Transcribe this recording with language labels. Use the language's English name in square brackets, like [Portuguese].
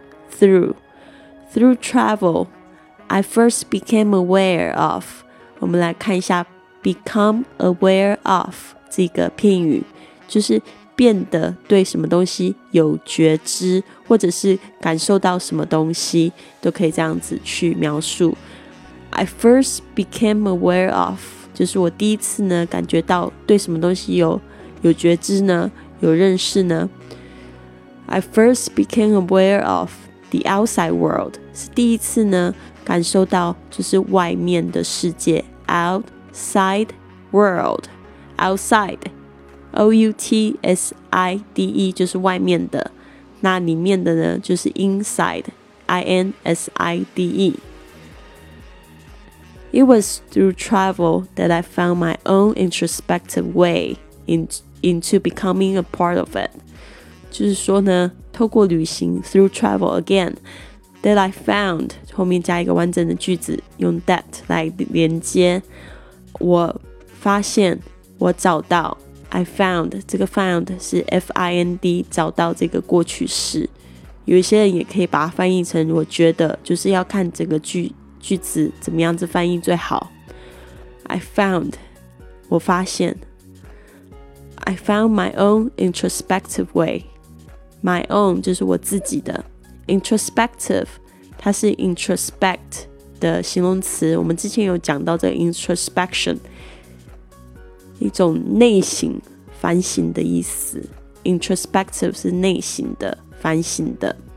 [English] Through travel, I first became aware of, [Chinese] 我们来看一下 [English] become aware of [Chinese] 这个片语，就是变得对什么东西有觉知，或者是感受到什么东西，都可以这样子去描述。 [English] I first became aware of, [Chinese] 就是我第一次呢感觉到对什么东西有觉知呢，有认识呢。 [English] I first became aware of the outside world, [Chinese] 是第一次呢感受到就是外面的世界 [English] outside world, outside, O-U-T-S-I-D-E, [Chinese] 就是外面的，那里面的呢就是 [English] inside, I-N-S-I-D-E。 It was through travel that I found my own introspective way into becoming a part of it. [Chinese] 就是说呢，透过旅行 [English] through travel again that I found [Chinese] 后面加一个完整的句子，用 that 来连接。我发现，我找到 ， [English] I found [Chinese] 这个 found 是 F-I-N-D 找到这个过去式。有一些人也可以把它翻译成我觉得，就是要看整个句子怎么样子翻译最好。 [English] I found, [Chinese] 我发现。 [English] I found my own introspective way. My own [Chinese] 就是我自己的。Introspective, 它是 introspect 的形容词，我们之前有讲到这个 introspection, 一种内省反省的意思。 Introspective 是内省的反省的。